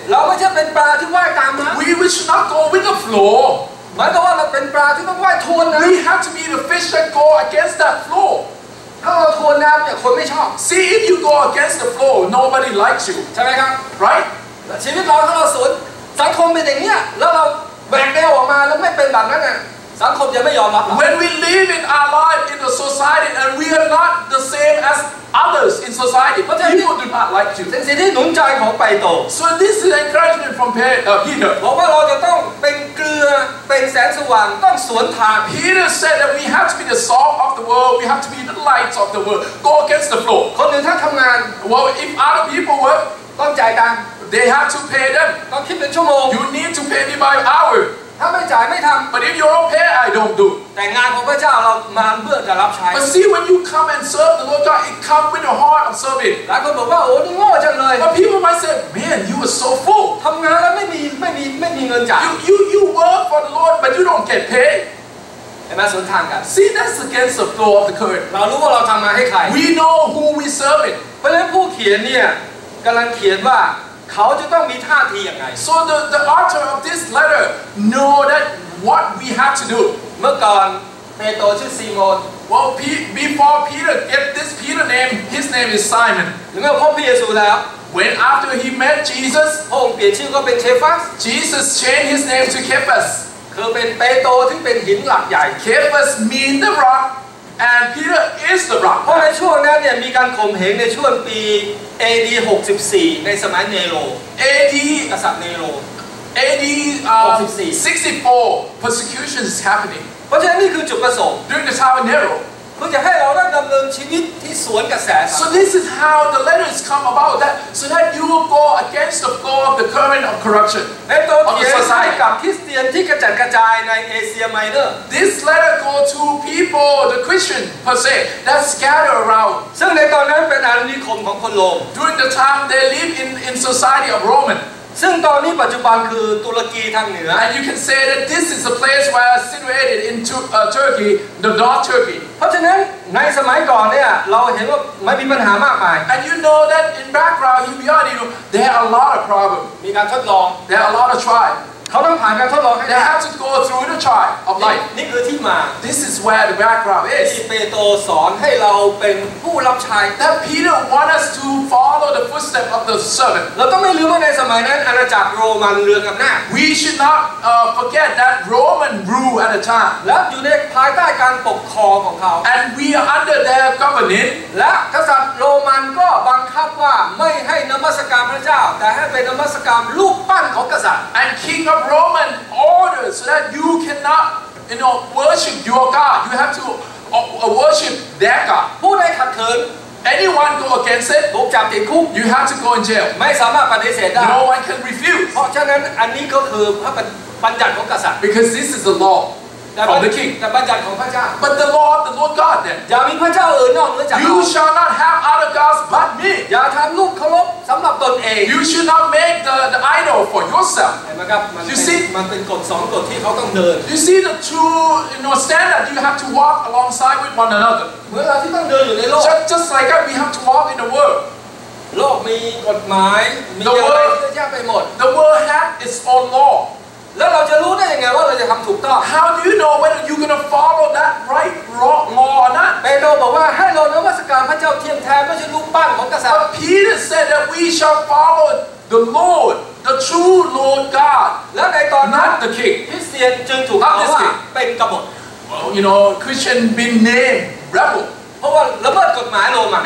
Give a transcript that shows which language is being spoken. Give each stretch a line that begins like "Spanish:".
Thai: เราไม่ใช่เป็นปลาที่ว่ายตามน้ำ
English: We should not go with the flow
Thai: หมายถึงว่าเราเป็นปลาที่ต้องว่ายทวนน้ำ
English: We have to be the fish that go against that flow
Thai: ถ้าเราทวนน้ำเนี่ยคนไม่ชอบ
English: See if you go against the flow nobody likes you
Thai: ใช่ไหมครับ
English: Right
Thai: ชีวิตเราถ้าเราสวนสังคมเป็นอย่างเนี้ยแล้วเราแบกแนวออกมาแล้วไม่เป็นแบบนั้นอ่ะสังคมจะไม่ยอมรับ
English: When we live in our life in the society and we are not the same as others in society people do not like you
Thai: สิ่งที่หนุนใจของเปโตร
English: So this is encouragement from Peter
Thai: บอกว่าเราจะต้องเป็นเกลือเป็นแสงสว่างต้องสวนทาง
English: Peter said that we have to be the salt of the world we have to be the light of the world go against the flow
Thai: คนอื่นถ้าทำงาน
English: Well if other people work
Thai: ต้องจ่ายตัง
English: ค์ They have to pay them
Thai: ต้องคิดเป็นชั่วโมง
English: You need to pay me by hour
Thai: ถ้าไม่จ่ายไม่ทำ
English: But if you don't pay I don't do
Thai: แต่งานของพระเจ้าเรามาเพื่อจะรับใช้
English: But see when you come and serve the Lord God it comes with a heart of serving
Thai: หลายคนบอกว่าโอ้นี่โง่จังเลย
English: But people might say man you are so full
Thai: ทำงานแล้วไม่มีเงินจ่าย
English: You work for the Lord but you don't get paid
Thai: เห็นไหมสวนทางกัน
English: See that's against the flow of the current
Thai: เรารู้ว่าเราทำงานให้ใคร
English: We know who we serving
Thai: เพราะฉะนั้นผู้เขียนเนี่ยกำลังเขียนว่าเขาจะต้องมีท่าทีอย่างไร
English: So the author of this letter know that what we have to do
Thai: เมื่อก่อนเปโตรชื่อซีโมน
English: Well before Peter get this Peter name his name is Simon
Thai: หรือเมื่อพบพระเยซูแล้ว
English: When after he met Jesus
Thai: พระองค์เปลี่ยนชื่อก็เป็นเคฟัส
English: Jesus changed his name to Cephas
Thai: คือเป็นเปโตรที่เป็นหินหลักใหญ่
English: Cephas mean the rockAnd Peter is the rock.
Thai: เพราะในช่วงนั้นเนี่ยมีการข่มเหงในช่วงปี A.D. 64ในสมัยเนโร
English: A.D.
Thai: กษัตริย์เนโร
English: A.D. 64 64 persecution is happening.
Thai: เพราะฉะนั้นนี่คือจุดประสงค์
English: During the time of Nero.
Thai: เพื่อจะให้เราได้ดำเนินชีวิตที่สวนกระแส
English: So this is how the letters come about that so that you will go against the flow of the current of corruption.
Thai: เปโตรเขียนกับคริสเตียนที่กระจัดกระจายในเอเชียไมเนอร์
English: This letter go to people the Christian per se that scatter around.
Thai: ซึ่งในตอนนั้นเป็นอาณานิคมของคนโรม
English: During the time they live in society of Roman.
Thai: ซึ่งตอนนี้ปัจจุบันคือตุรกีทางเหนือ
English: And you can say that this is a place where I situated in Turkey, the North Turkey.
Thai: เพราะฉะนั้นในสมัยก่อนเนี่ยเราเห็นว่าไม่มีปัญหามากมาย
English: And you know that in background, you beyond you, there are a lot of problems.
Thai: มีการทดลอง
English: There are a lot of trial.
Thai: เขาต้องผ่านการทดลองให้
English: They have to go through the trial of life.
Thai: นี่คือที่มา
English: This is where the background is.
Thai: ที่เปโตรสอนให้เราเป็นผู้รับใช้
English: That Peter want us to follow the footsteps of the servant.
Thai: เราต้องไม่ลืมว่าในสมัยนั้นอาณาจักรโรมันเรืองอำนาจ
English: We should not forget that Roman rule at the time.
Thai: และอยู่ในภายใต้การปกครองของเขา
English: And we are under their governance.
Thai: และกษัตริย์โรมันก็บังคับว่าไม่ให้นมัสการพระเจ้าแต่ให้ไปนมัสการรูปปั้นของกษัตริย์
English: And king of Roman orders so that you cannot, you know, worship your god. You have to worship their god.
Thai: ผู้ใดขัดขืน
English: Anyone go against it,
Thai: ถูกจับติดคุก
English: You have to go in jail.
Thai: ไม่สามารถปฏิเสธได้
English: No one can refuse.
Thai: เพราะฉะนั้นอันนี้ก็คือพระบัญญัติของกษัตริย์
English: Because this is the law of the king.
Thai: แต่บัญญัติของพระเจ้า
English: But the law of the Lord God then.
Thai: อย่ามีพระเจ้าอื่นนอกเหนือจาก
English: You shall not have other gods but me.
Thai: อย่าทำรูปเคารพสำหรับตนเอง
English: You should not make the idol for yourself.
Thai: เห็นไหมครับ
English: You see,
Thai: มันเป็นกฎสองกฎที่เขาต้องเดิน
English: You see the true, you know, standard you have to walk alongside with one another.
Thai: เมื่อเราที่ต้องเดินอยู่ในโลก
English: just like that we have to walk in the world
Thai: โลกมีกฎหมายมีอะไรเยอะแยะไปหมด
English: the world has its own law
Thai: แล้วเราจะรู้ได้ยังไงว่าเราจะทำถูกต้อง
English: How do you know when you're gonna follow that right rock law
Thai: นะ เปโตรบอกว่าให้เรานมัสการพระเจ้าเทียมแท้ก็จะรู้ปั้นของกษัตริย์
English: But Peter said that we shall follow the Lord the true Lord God
Thai: และในตอนนั้น
English: the king
Thai: คริสเตียนจึงถูกเอาว่าเป็นกบฏ
English: Well you know Christian been named rebel
Thai: เพราะว่าละเมิดกฎหมายโรมัน